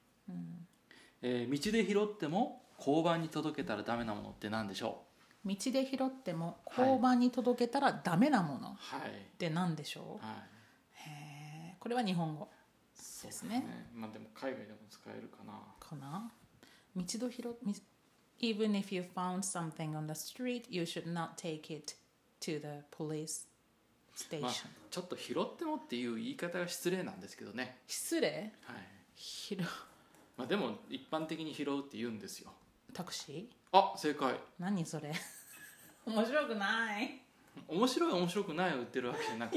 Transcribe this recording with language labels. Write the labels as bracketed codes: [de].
[ja] うん、道で拾っても交番に届けたらダメなものって何でしょう。道で拾っても交番に届けたらダメなものって何でしょう。はいはい、これは日本語ですね。まあでも海外でも使えるかな。かな。 [en] 道で拾っ、Even if you found something on the street, you should not take it to the police station。 [ja] まあ、ちょっと拾ってもっていう言い方が失礼なんですけどね。失礼？はい。拾う。まあ、でも一般的に拾うって言うんですよ。タクシー？あ、正解。何それ。面白くない。面白い面白くないを売ってるわけじゃなくて、